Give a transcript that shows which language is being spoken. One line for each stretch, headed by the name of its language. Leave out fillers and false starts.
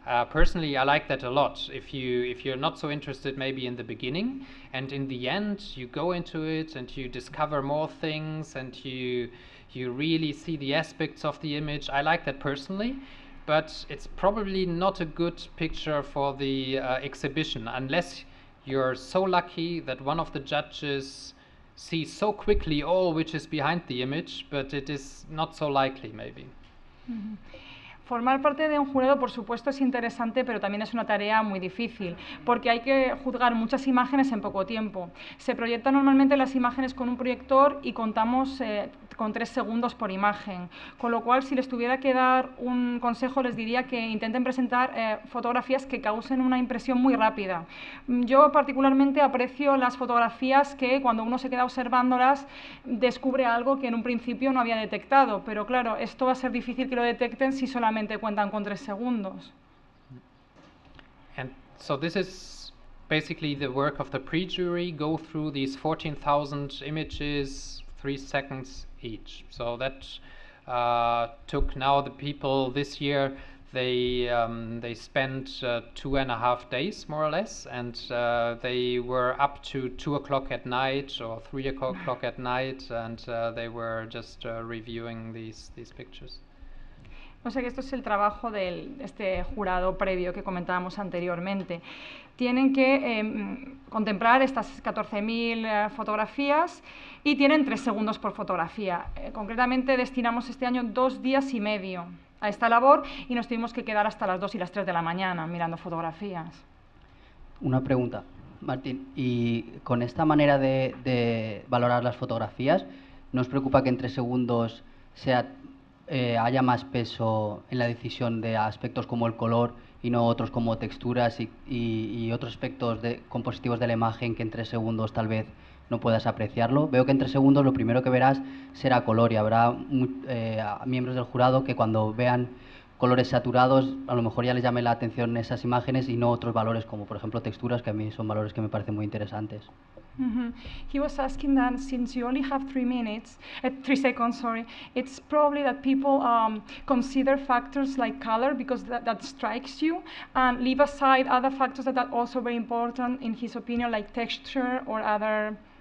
English: Personally, I like that a lot. If you're not so interested maybe in the beginning, and in the end you go into it and you discover more things and you really see the aspects of the image, I like that personally. But it's probably not a good picture for the exhibition, unless you're so lucky that one of the judges sees so quickly all which is behind the image, but it is not so likely, maybe. Mm-hmm.
Spanish: Formar parte de un jurado, por supuesto, es interesante, pero también es una tarea muy difícil, porque hay que juzgar muchas imágenes en poco tiempo. Se proyectan normalmente las imágenes con un proyector y contamos con 3 segundos por imagen. Con lo cual, si les tuviera que dar un consejo, les diría que intenten presentar fotografías que causen una impresión muy rápida. Yo particularmente aprecio las fotografías que, cuando uno se queda observándolas, descubre algo que en un principio no había detectado. Pero claro, esto va a ser difícil que lo detecten si solamente cuentan con 3 segundos.
English: And so this is basically the work of the pre-jury, go through these 14,000 images, 3 seconds each. So that took now the people this year, they spent 2.5 days more or less, and they were up to 2 o'clock at night or 3 o'clock at night, and they were just reviewing these pictures.
Spanish: O sea que esto es el trabajo de este jurado previo que comentábamos anteriormente. Tienen que contemplar estas 14.000 fotografías y tienen 3 segundos por fotografía. Concretamente destinamos este año 2 días y medio a esta labor y nos tuvimos que quedar hasta las 2 y las 3 de la mañana mirando fotografías. Una pregunta, Martín. Y con esta manera de valorar las fotografías, ¿no os preocupa que en 3 segundos sea... haya más peso en la decisión de aspectos como el color y no otros como texturas y otros aspectos de compositivos de la imagen que en 3 segundos tal vez no puedas apreciarlo? Veo que en 3 segundos lo primero que verás será color y habrá miembros del jurado que cuando vean colores saturados a lo mejor ya les llame la atención esas imágenes y no otros valores como por ejemplo texturas, que a mí son valores que me parecen muy interesantes. Mm-hmm.
English: He was asking that since you only have 3 minutes, 3 seconds, sorry, it's probably that people consider factors like color because that strikes you, and leave aside other factors that are also very important in his opinion, like texture or other